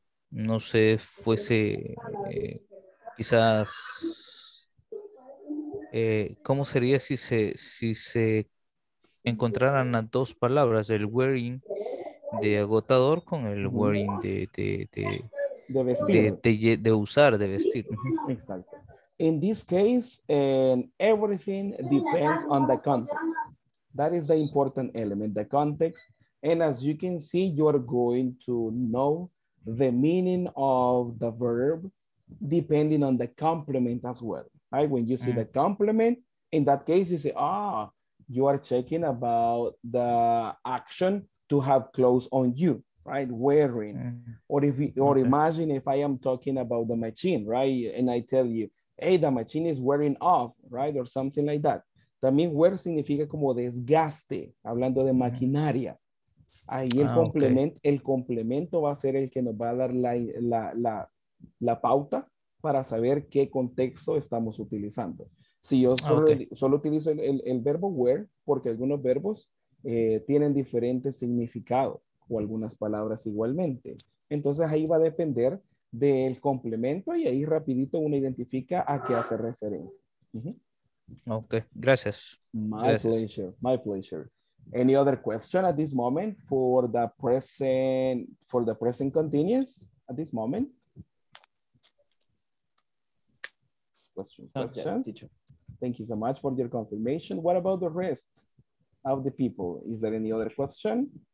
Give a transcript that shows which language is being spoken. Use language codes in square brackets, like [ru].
[es] no sé, fuese quizás, ¿cómo sería si se, si se encontraran las dos palabras, el wearing de agotador con el wearing de vestir, de usar, de vestir? Exacto. [en] In this case, and everything depends on the context. That is the important element, the context. And as you can see, you are going to know the meaning of the verb depending on the complement as well, right? When you see the complement, in that case, you say, ah, you are checking about the action to have clothes on you, right? Wearing. Or if you, or imagine if I am talking about the machine, right? And I tell you, hey, the machine is wearing off, right? Or something like that. [es] También wear significa como desgaste, hablando de maquinaria. Ahí el, complemento, el complemento va a ser el que nos va a dar la pauta para saber qué contexto estamos utilizando. Si yo solo, solo utilizo el verbo wear, porque algunos verbos tienen diferente significado o algunas palabras igualmente. Entonces ahí va a depender del complemento y ahí rapidito uno identifica a qué hace referencia. Okay, gracias. [en] My pleasure. Any other question at this moment for the present, for the present continuous at this moment? Question. Thank you so much for your confirmation. What about the rest of the people? Is there any other question?